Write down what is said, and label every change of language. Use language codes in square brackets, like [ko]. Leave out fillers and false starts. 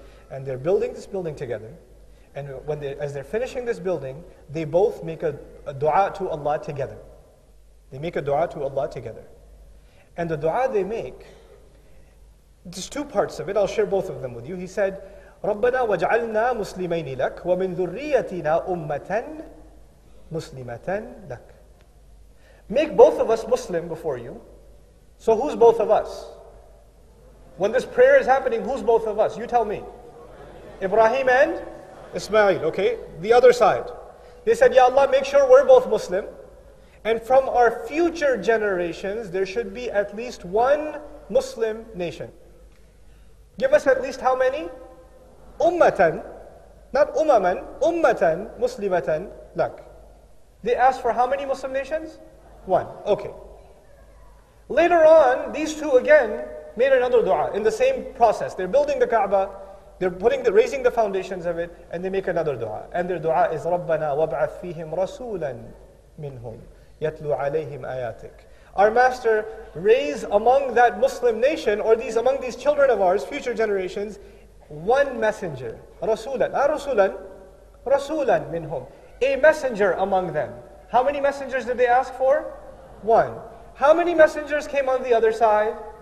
[en] And they're building this building together. And when they, as they're finishing this building, they both make a dua to Allah together. They make a dua to Allah together. And the dua they make, there's two parts of it. I'll share both of them with you. He said, [ar] رَبَّنَا وَجْعَلْنَا مُسْلِمَيْنِ لَكْ وَمِنْ ذُرِّيَّتِنَا أُمَّةً مُسْلِمَةً لَكْ. [en] Make both of us Muslim before you. So who's both of us? When this prayer is happening, who's both of us? You tell me. Ibrahim and Ismail, okay? The other side. They said, Ya Allah, make sure we're both Muslim. And from our future generations, there should be at least one Muslim nation. Give us at least how many? Ummatan, not umaman, [ar] ummatan, muslimatan, lak. [en] They asked for how many Muslim nations? One, okay. Later on, these two again made another dua in the same process. They're building the Kaaba, they're putting the, raising the foundations of it, and they make another dua. And their dua is, [ar] رَبَّنَا وَابْعَثْ فِيهِمْ رَسُولًا مِّنْهُمْ يَتْلُوا عَلَيْهِمْ آيَاتِكَ. [en] Our Master, raise among that Muslim nation, or these among these children of ours, future generations, one messenger, رَسُولًا, not رَسُولًا, [ar] رَسُولًا مِّنْهُمْ, [en] a messenger among them. How many messengers did they ask for? One. How many messengers came on the other side?